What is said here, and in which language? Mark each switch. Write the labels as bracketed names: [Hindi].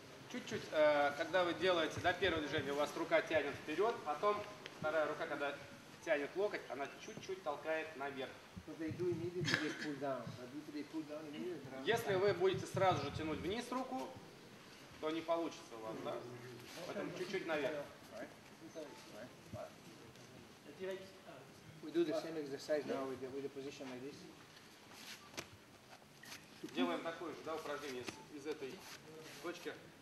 [Russian] Чуть-чуть, когда вы делаете, да, первое движение, у вас рука тянет вперед, потом вторая рука, когда тянет локоть, она чуть-чуть толкает наверх. Если вы будете сразу же тянуть вниз руку, то не получится у вас, да? Поэтому чуть-чуть наверх. [English] We do the same exercise now with the position like this. [Russian] Делаем такое же, да, упражнение из этой точки.